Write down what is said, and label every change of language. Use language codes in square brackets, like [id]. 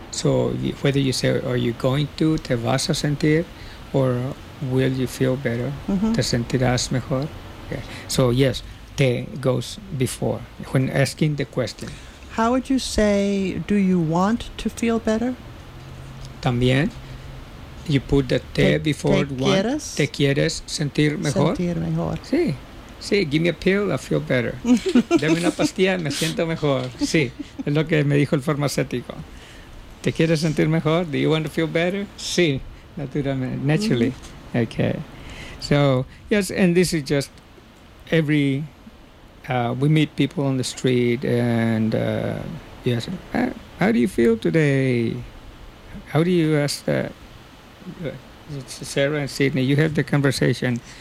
[en] So whether you say, are you going to, [es] te vas a sentir, [en] or will you feel better? Mm-hmm. [es] Te sentirás mejor? Okay. [en] So yes, te goes before when asking the question. How would you say, do you want to feel better? También. You put the te before [es] te [en] want. [es] Quieres? Te quieres sentir mejor? Sentir mejor. [en] Sí. Sí, give me a pill, I feel better. [es] Dame una pastilla, me siento mejor. Sí, es lo que me dijo el farmacéutico. ¿Te quieres sentir mejor? [en] Do you want to feel better? Sí, naturally. Mm-hmm. Okay. So, yes, and this is just every, we meet people on the street and, yes, how do you feel today? How do you ask that? Sarah and Sydney, you have the conversation.